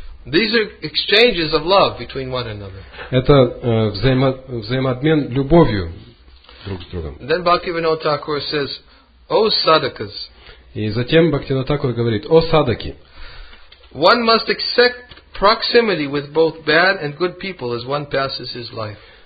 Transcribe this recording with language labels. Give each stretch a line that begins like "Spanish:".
English: These are exchanges of love between one another.
Russian: Это взаимообмен любовью друг с другом.
English: Then Bhaktivinoda Thakur says, "O sadhakas."
Russian: И затем Бхактивинода Тхакур говорит: "О садаки."
English: One must accept proximity with both bad and good people as one passes his life.